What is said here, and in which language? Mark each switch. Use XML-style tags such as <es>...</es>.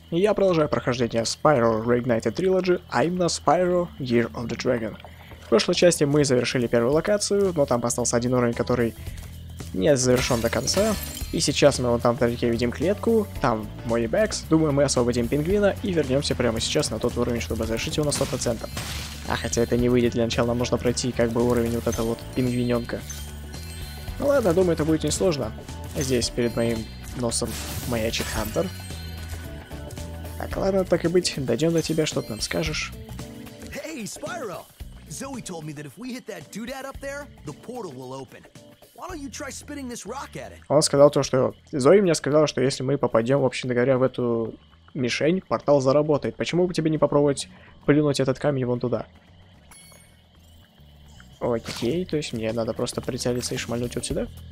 <ru>Я продолжаю прохождение Spyro Reignited Trilogy, а именно Spyro Year of the Dragon. В прошлой части мы завершили первую локацию, но там остался один уровень, который не завершен до конца. И сейчас мы вон там вдалеке видим клетку, там Money Bags. Думаю, мы освободим пингвина и вернемся прямо сейчас на тот уровень, чтобы завершить его на 100%. А хотя это не выйдет, для начала нам нужно пройти как бы уровень вот этого вот пингвиненка. Ну ладно, думаю, это будет несложно. Здесь перед моим носом маячит Хантер. Так, ладно, так и быть, дойдем до тебя, что ты нам скажешь.</ru> <en>Hey, Spyro! Zoe told me that if we hit that doodad up there, the portal will open. Why don't you try spinning this rock at it?</en> <ru>Он сказал то, что... Зои мне сказала, что если мы попадем, в общем-то говоря, в эту мишень, портал заработает. Почему бы тебе не попробовать плюнуть этот камень вон туда? Окей, то есть мне надо просто прицелиться и шмальнуть вот сюда.</ru>